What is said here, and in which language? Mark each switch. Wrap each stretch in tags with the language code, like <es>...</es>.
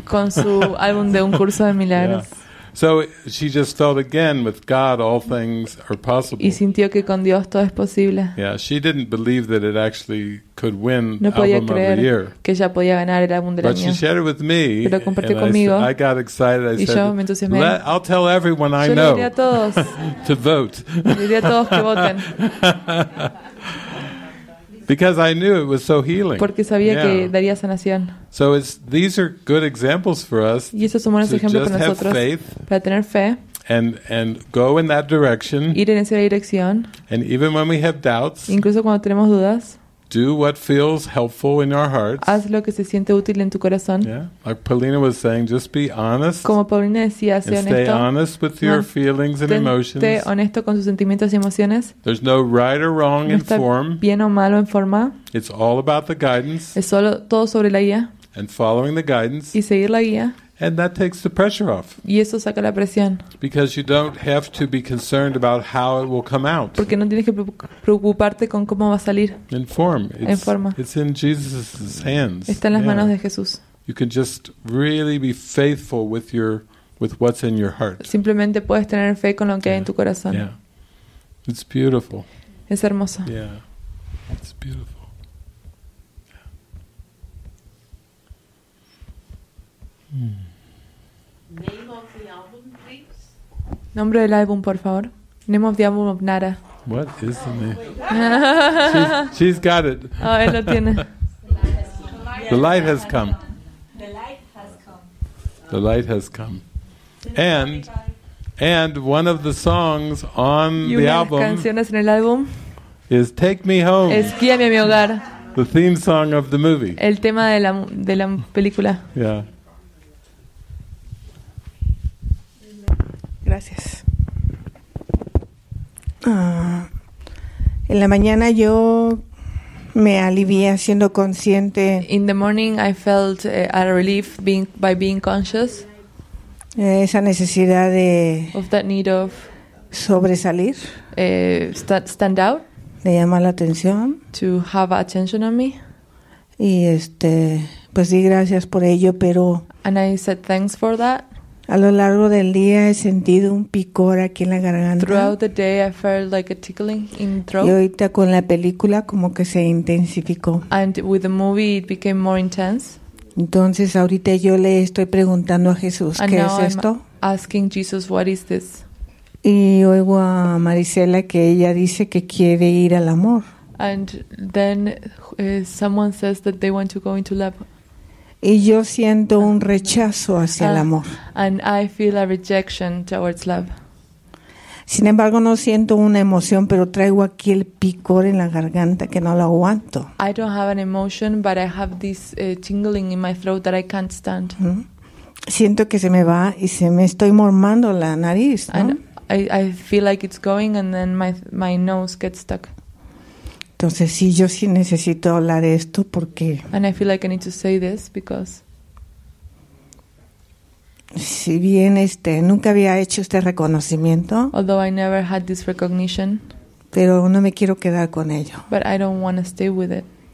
<es>Con su álbum de Un Curso de Milagros.</es> <en>Yeah. So she just felt again with God all things are possible.</en> <es>Y sintió que con Dios todo es posible.</es> <en>Yeah, she didn't believe that it actually could win</en> <es>no podía</es> <en>album</en> <es>creer</es> <en>of the year.</en> <es>Que ella podía ganar el álbum del</es> <en>but</en> <es>año.</es> <en>She shared it with me.</en> <es>Pero compartió conmigo.</es> <en>I got excited. I</en> <es>y</es> <en>said,</en> <es>yo me entusiasmé.</es> <en>I'll tell everyone I</en> <es>yo</es> <en>know.</en> <es>Le diré a todos.</es> <en>To vote.</en> <es>Le diré a todos que voten.</es> <en>Because I knew it was so healing.</en> <es>Porque sabía yeah. que daría sanación.</es> <en>So it's these are good examples for us.</en> <es>Y esos son buenos ejemplos para nosotros.</es> <en>To just have faith.</en> <es>Para tener fe.</es> <en>And go in that direction.</en> <es>Ir en esa dirección.</es> <en>And even when we have doubts.</en> <es>Incluso cuando tenemos dudas.</es> <en>Do what feels helpful in our hearts.</en> <es>Haz lo que se siente útil en tu corazón.</es> <en>Yeah. Like Paulina was saying, just be honest.</en> <es>Como Paulina decía, sé honesto.</es> <en>Stay honest with your feelings and emotions.</en> <es>Sé honesto con tus sentimientos y emociones.</es> <en>There's no right or wrong in form.</en> <es>No está bien o malo en forma.</es> <en>It's all about the guidance.</en> <es>Es solo todo sobre la guía.</es> <en>And following the guidance.</en> <es>Y seguir la guía.</es> <en>And that takes the pressure off.</en> <es>Y eso saca la presión.</es> <en>Because you don't have to be concerned about how it will come out.</en> <es>Porque no tienes que preocuparte con cómo va a salir.</es> <en>In form.</en> <es>En forma.</es> <en>It's in Jesus' hands.</en> <es>Está en las manos de Jesús.</es> <en>You can just really be faithful with what's in your heart.</en> <es>Simplemente puedes tener fe con lo que hay en tu corazón.</es> <en>Yeah. It's beautiful.</en> <es>Es hermoso.</es> <en>Yeah. It's beautiful. Name of the album, please. Name of the album of Nara. What is the name? she's got it.</en> <es>Oh, él lo tiene.</es> <en>The light has come. The light has come. The light has come. And one of the songs on the album.</en> <es>Canciones en el álbum.</es> <en>Is Take Me Home.</en> <es>Es Guíame a mi hogar.</es> <en>The theme song of the movie.</en> <es>El tema de la película.</es> <en>Yeah.</en> <es>Gracias. En la mañana yo me alivié siendo consciente.</es> <en>In the morning I felt a relief by being conscious.</en> <es>Esa necesidad de</es> <en>of that need of</en> <es>sobresalir.</es> <en>Stand out.</en> <es>De llamar la atención.</es> <en>To have attention on me.</en> <es>Y pues di gracias por ello, pero.</es> <en>And I said thanks for that.</en> <es>A lo largo del día he sentido un picor aquí en la garganta.</es> <en>Throughout the day I felt like a tickling in throat.</en> <es>Y ahorita con la película como que se intensificó.</es> <en>And with the movie it became more intense.</en> <es>Entonces ahorita yo le estoy preguntando a Jesús,</es> <en>and</en> <es>¿qué es esto?</es> <en>I'm asking Jesus, what is this?</en> <es>Y oigo a Marisela que ella dice que quiere ir al amor.</es> <en>And then someone says that they want to go into love.</en> <es>Y yo siento un rechazo hacia el amor.</es> <en>And I feel a rejection towards love.</en> <es>Sin embargo, no siento una emoción, pero traigo aquí el picor en la garganta que no lo aguanto.</es> <en>I don't have an emotion, but I have this tingling in my throat that I can't stand.</en> <es>Siento que se me va y se me estoy mormando la nariz, ¿no?</es> <en>And I feel like it's going and then my nose gets stuck.</en> <es>Entonces sí, yo sí necesito hablar de esto porque.</es> <en>And I feel like I need to say this because.</en> <es>Si bien nunca había hecho este reconocimiento.</es> <en>Although I never had this recognition.</en> <es>Pero no me quiero quedar con ello.</es> <en>But I don't want to stay with it.</en>